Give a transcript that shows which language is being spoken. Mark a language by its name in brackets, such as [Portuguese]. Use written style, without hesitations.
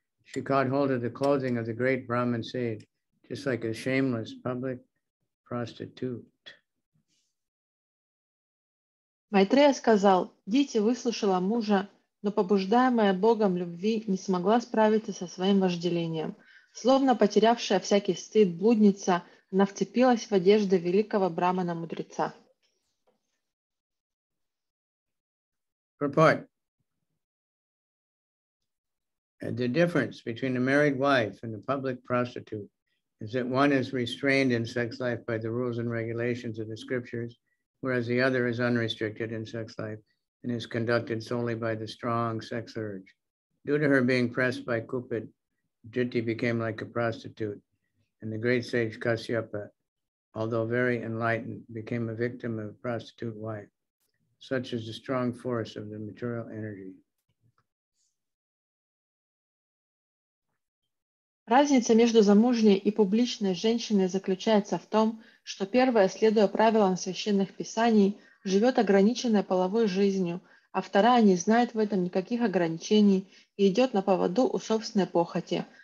[English] She caught hold of the clothing of the great Brahmin sage, just like a shameless public prostitute. [Russian] Maitreya сказал, Diti выслушала мужа, но побуждаемая Богом любви не смогла справиться со своим вожделением. Словно потерявшая всякий стыд блудница, она вцепилась в одежды великого Брахмана-мудреца. [English] Purport. And the difference between a married wife and a public prostitute is that one is restrained in sex life by the rules and regulations of the scriptures, whereas the other is unrestricted in sex life and is conducted solely by the strong sex urge. Due to her being pressed by Cupid, Diti became like a prostitute, and the great sage Kasyapa, although very enlightened, became a victim of a prostitute wife. Such is the strong force of the material energy. [Russian] Разница между замужней и публичной женщиной заключается в том, что первая, следуя правилам священных писаний, живет ограниченной половой жизнью, а вторая не знает в этом никаких ограничений и идет на поводу у собственной похоти.